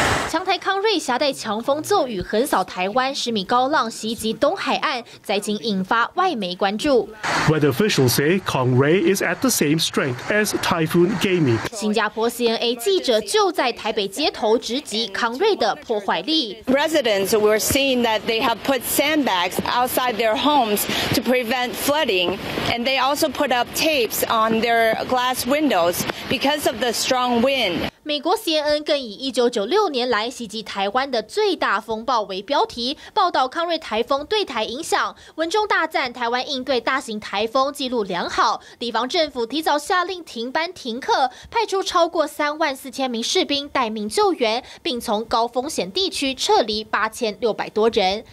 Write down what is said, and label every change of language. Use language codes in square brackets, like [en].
[zh] 强台康瑞挟带强风骤雨横扫台湾，10米高浪袭击东海岸，灾情引发外媒关注。 [en] Weather officials say Kong Rei is at the same strength as Typhoon Gaimi. [zh] 新加坡 CNA 记者就在台北街头直击康瑞的破坏力。 [en] Residents were seeing that they have put sandbags outside their homes to prevent flooding, and they also put up tapes on their glass windows because of the strong wind. [zh] 美国 CNN 更以1996年来袭击台湾的最大风暴为标题，报道康瑞台风对台影响，文中大赞台湾应对大型台风记录良好，地方政府提早下令停班停课，派出超过34000名士兵待命救援，并从高风险地区撤离8600多人。